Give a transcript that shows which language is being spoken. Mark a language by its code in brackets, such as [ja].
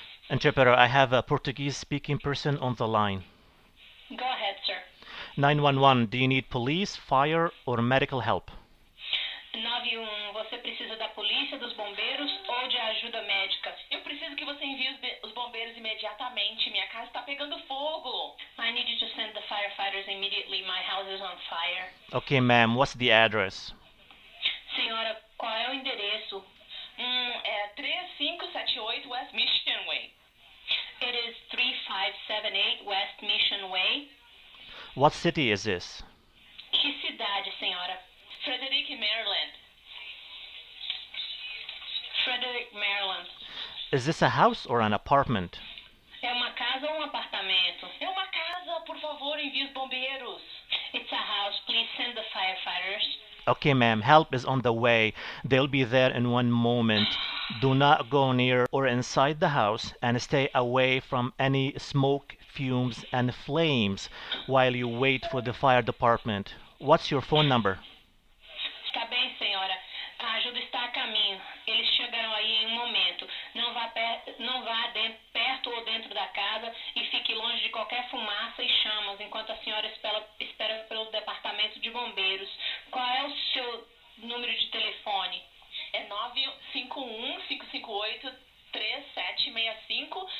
[en] Interpreter, I have a Portuguese-speaking person on the line. Go ahead, sir. 911, do you need police, fire, or medical help? [pt] 911, você precisa da polícia, dos bombeiros ou de ajuda médica? Eu preciso que você envie os bombeiros imediatamente. Minha casa está pegando fogo. [en] I need you to send the firefighters immediately. My house is on fire. Okay, ma'am, what's the address? [pt] Senhora, qual é o endereço? É 3578 West Mission Way. [en] It is 3578 West Mission Way. What city is this? [pt] Que cidade, senhora? Frederick, Maryland. [en] Frederick, Maryland. Is this a house or an apartment? [pt] É uma casa ou um apartamento? É uma casa, por favor, envie os bombeiros. [en] It's a house, please send the firefighters. Okay, ma'am, help is on the way. They'll be there in one moment. Do not go near or inside the house and stay away from any smoke, fumes, and flames while you wait for the fire department. What's your phone number? [pt] Está bem, senhora. A ajuda está a caminho. Eles chegarão aí em um momento. Não vá perto ou dentro da casa e fique longe de qualquer fumaça e chamas enquanto a senhora espera pelo departamento de bombeiros. Qual é o seu número de telefone? É 951-558-3765.